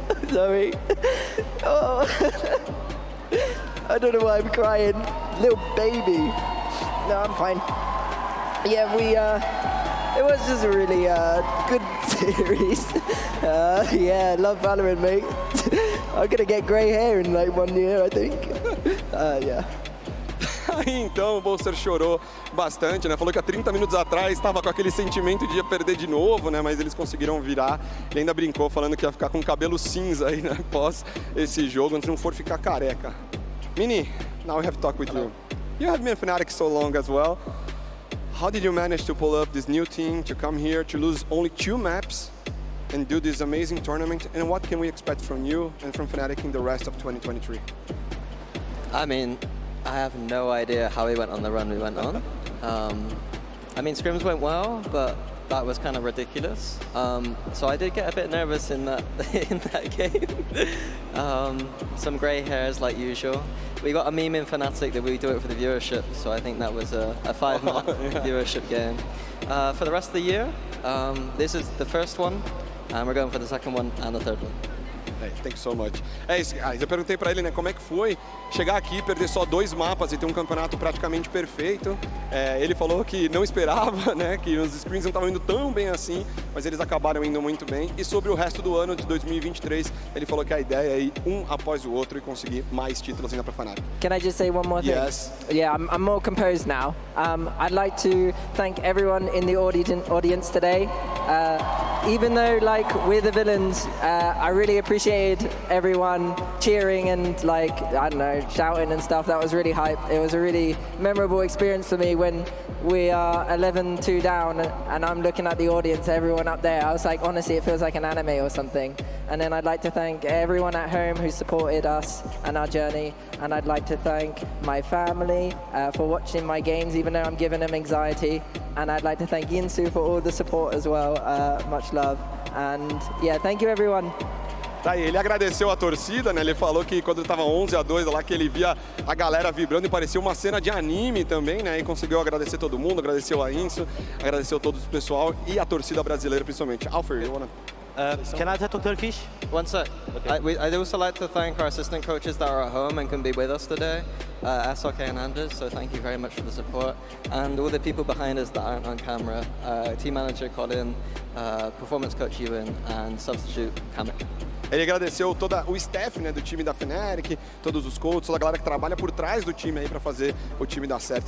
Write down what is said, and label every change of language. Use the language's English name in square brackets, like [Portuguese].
[English] Sorry. Oh. I don't know why I'm crying. Little baby. No, I'm fine. Yeah, it was just a really good series. Yeah, love Valorant, mate. I'm gonna get gray hair in like 1 year, I think. Yeah. [Portuguese] Aí então o Bolster chorou bastante, né? Falou que há 30 minutos atrás estava com aquele sentimento de ia perder de novo, né? Mas eles conseguiram virar. Ele ainda brincou falando que ia ficar com cabelo cinza aí, né? Após esse jogo, se não for ficar careca. [English] Mini, now we have to talk with you. You have been a Fnatic so long as well. How did you manage to pull up this new team to come here to lose only 2 maps and do this amazing tournament? And what can we expect from you and from Fnatic in the rest of 2023? I mean, I have no idea how we went on the run we went on. I mean, scrims went well, but that was kind of ridiculous. So I did get a bit nervous in that game. Some gray hairs, like usual. We got a meme in Fnatic that we do it for the viewership, so I think that was a 5-mark viewership game. For the rest of the year, this is the first one, and we're going for the second one and the third one. Thank you so much. [Portuguese] É isso. Eu perguntei pra ele, né, como é que foi chegar aqui, perder só 2 mapas e ter um campeonato praticamente perfeito. Ele falou que não esperava, né, que os screens não estavam indo tão bem assim, mas eles acabaram indo muito bem. E sobre o resto do ano de 2023, ele falou que a ideia é ir um após o outro e conseguir mais títulos ainda pra Fnatic. [English] Can I just say one more thing? Yes. Yeah, I'm more composed now. I'd like to thank everyone in the audience today. Even though, like, we're the villains, I really appreciated everyone cheering and, like, I don't know, shouting and stuff. That was really hype. It was a really memorable experience for me when we are 11-2 down and I'm looking at the audience, everyone up there. I was like, honestly, it feels like an anime or something. And then I'd like to thank everyone at home who supported us and our journey. And I'd like to thank my family for watching my games, even though I'm giving them anxiety. And I'd like to thank Yinsu for all the support as well. Much love. And yeah, thank you everyone. [Portuguese] Tá aí, ele agradeceu a torcida, né? Ele falou que quando estava 11-2 lá, que ele via a galera vibrando e parecia uma cena de anime também, né? E conseguiu agradecer todo mundo, agradeceu a Insu, agradeceu todo o pessoal e a torcida brasileira principalmente. [English] Alfred, you wanna... Can I talk to Turkish? One sec. Okay. I'd also like to thank our assistant coaches that are at home and can be with us today. SOK and Anders, so thank you very much for the support. And all the people behind us that aren't on camera. Team manager Colin, performance coach Ewan and substitute Kamek. [Portuguese] Ele agradeceu todo o staff, né, do time da Fnatic, todos os coaches, toda a galera que trabalha por trás do time aí para fazer o time dar certo.